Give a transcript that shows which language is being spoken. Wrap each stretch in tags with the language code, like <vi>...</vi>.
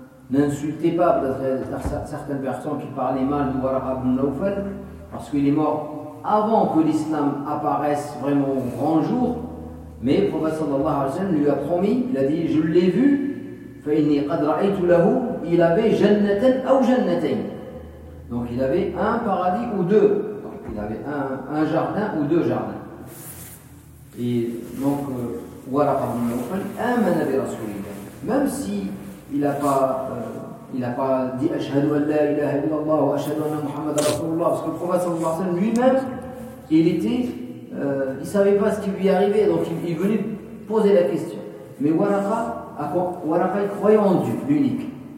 <fr>N'insultez pas, certaines personnes qui parlaient mal de Waraqa ibn Nawfal, parce qu'il est mort avant que l'islam apparaisse vraiment au grand jour. Mais le prophète sallallahu alayhi wa sallam lui a promis, il a dit: je l'ai vu,</fr> <ar>فَإِنِّي قَدْرَعَيْتُ لَهُ,</ar> <fr>il avait</fr> <ar>جَنَّةً أَوْ جَنَّةً.</ar> <fr>Donc il avait un paradis ou deux. Donc, il avait un jardin ou deux jardins. Et donc,</fr> <ar>وَرَقَ ابْنُ نَوْفَلْ آمَنَ بِرَسُولِ اللَّهِ.</ar> <fr>Même s'il n'a pas dit</fr> <ar>أَشْهَدُ أَنْ لَا إِلَهَ إِلَّا اللَّهُ وَأَشْهَدُ أَنَّ مُحَمَّدَ رَسُولُ اللَّهِ,</ar> <fr>parce que le prophète sallallahu alayhi wa sallam lui-même, il ne savait pas ce qui lui arrivait, donc il venait posait la question. Mais Waraka, Waraka croyait en Dieu, l'unique.</fr>